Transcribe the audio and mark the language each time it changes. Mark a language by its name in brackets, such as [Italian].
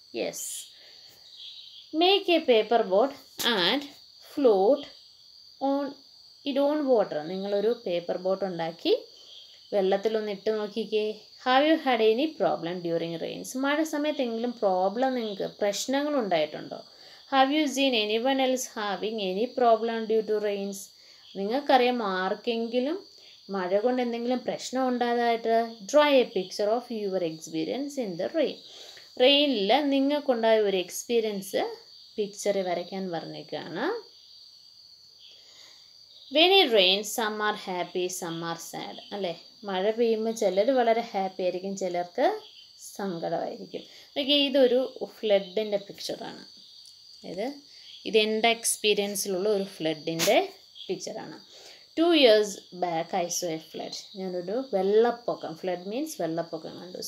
[English] yes make a paper boat and float on it on water [Malayalam] നിങ്ങളൊരു paper boat ഉണ്ടാക്കി വെള്ളത്തിലൊന്നിട്ട് നോക്കിക്കേ. [English] have you had any problem during rains [Malayalam] മഴ സമയത്ത് എങ്കിലും problem നിങ്ങൾക്ക് പ്രശ്നങ്ങൾ ഉണ്ടായിട്ടുണ്ടോ? [English] Have you seen anyone else having any problem due to rains? [Malayalam] നിങ്ങൾക്കറിയാം ആർക്കെങ്കിലും മഴ കൊണ്ട് എന്തെങ്കിലും പ്രശ്നം ഉണ്ടായതായിട്ട്? [English] draw a picture of your experience in the rain [Malayalam] റെയിനിൽ നിങ്ങൾക്കുണ്ടായ ഒരു എക്സ്പീരിയൻസ് പിക്ചർ വരയ്ക്കാൻ പറഞ്ഞേക്കാണ്. [English] When it rains, some are happy, some are sad. അല്ലേ [Malayalam] മഴ പെയ്യുമ്പോൾ ചിലർ വളരെ ഹാപ്പി ആയിരിക്കും, ചിലർക്ക് സങ്കടമായിരിക്കും. ഓക്കെ, ഇതൊരു ഫ്ലഡിൻ്റെ പിക്ചറാണ്. അതായത് ഇത് എൻ്റെ എക്സ്പീരിയൻസിലുള്ള ഒരു ഫ്ലഡിൻ്റെ പിക്ചറാണ്. [English] 2 years back I saw a flood. [Malayalam] ഞാനൊരു വെള്ളപ്പൊക്കം, ഫ്ലഡ് മീൻസ് വെള്ളപ്പൊക്കം കണ്ടു.